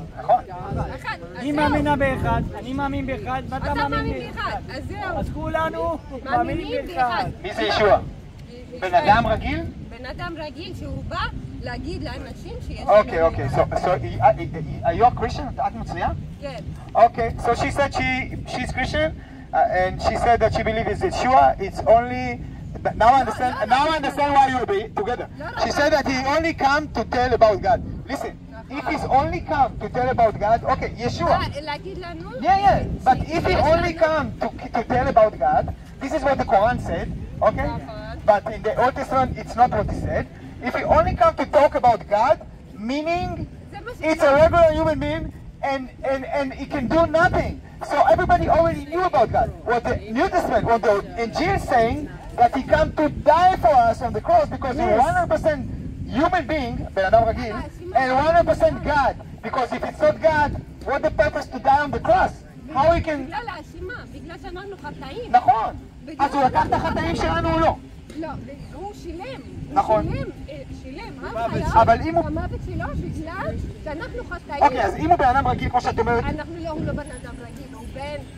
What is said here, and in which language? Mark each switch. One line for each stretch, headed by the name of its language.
Hebrew: אחד, נכון. היא מאמינה באחד, אני מאמין באחד, ואתה מאמין באחד. אז זהו. אז כולנו מאמינים באחד. מי זה ישוע? בן אדם רגיל? בן אדם רגיל שהוא בא להגיד לאנשים שיש... אוקיי, אוקיי.
English: So, are you a Christian?
Hebrew: את מצויה?
English: כן. אוקיי, so she said she's Christian, and she said that she believes it's Yeshua, it's only... Now I understand why you'll be together. She said that he only come to tell about God. Listen. If he's only come to tell about God, okay, Yeshua. Yeah. But if he only come to tell about God, this is what the Quran said, okay? But in the Old Testament, it's not what he said. If he only come to talk about God, meaning it's a regular human being and he can do nothing. So everybody already knew about God. What the New Testament, what the Angel is saying, that he come to die for us on the cross because he's 100% human being,
Hebrew: Ben Adam Ragil,
English: and 100% God, because if it's not God, what the purpose to die on the cross? How we can...
Hebrew: בגלל האשימה, בגלל שאמרנו חטאים. נכון. אז הוא לקח את החטאים שלנו או לא? לא, הוא שילם. נכון. שילם, אבל אם הוא... המוות שלו, בגלל שאנחנו חטאים. אוקיי, אז אם הוא בן אדם רגיל, כמו שאת אומרת... אנחנו לא, הוא לא בן אדם רגיל, הוא בן...